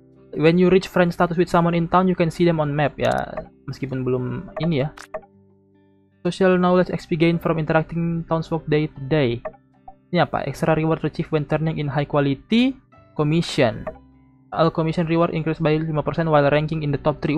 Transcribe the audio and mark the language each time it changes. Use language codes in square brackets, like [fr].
[en] When you reach friend status with someone in town, you can see them on map. [id] Ya, meskipun belum ini ya. [en] Social knowledge XP gain from interacting townsfolk day to day. [id] Ini apa? [en] Extra reward received when turning in high quality commission. All commission reward increase by 5% while ranking in the top 3.